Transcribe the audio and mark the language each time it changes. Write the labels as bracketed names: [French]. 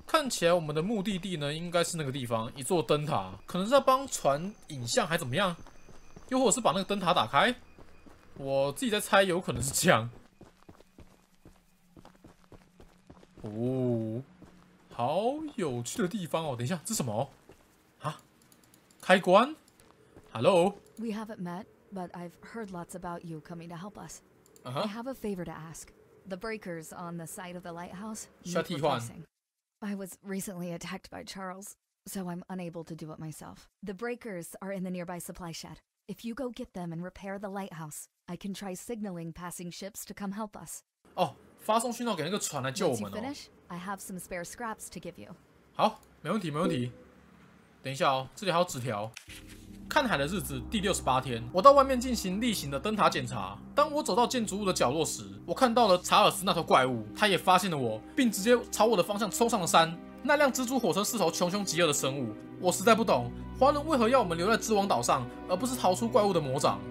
[Chinese] 看起来我们的目的地呢，应该是那个地方，一座灯塔，可能是要帮传影像还怎么样，又或者是把那个灯塔打开，我自己在猜，有可能是这样。哦，好有趣的地方哦！等一下，这是什么？啊，开关 ？Hello。 [English] We haven't met, but I've heard lots about you coming to help us. I have a favor to ask. The breakers on the side of the lighthouse need replacing. I was recently attacked by Charles, so I'm unable to do it myself. The breakers are in the nearby supply shed. If you go get them and repair the lighthouse, I can try signaling passing ships to come help us. [Chinese] Oh, 发送讯号给那个船来救我们哦。 [English] Once you finish, I have some spare scraps to give you. [Chinese] 好，没问题，没问题。等一下哦，这里还有纸条。看海的日子第68天，我到外面进行例行的灯塔检查。当我走到建筑物的角落时，我看到了查尔斯那头怪物，他也发现了我，并直接朝我的方向冲上了山。那辆蜘蛛火车是头穷凶极恶的生物，我实在不懂华伦为何要我们留在之王岛上，而不是逃出怪物的魔掌。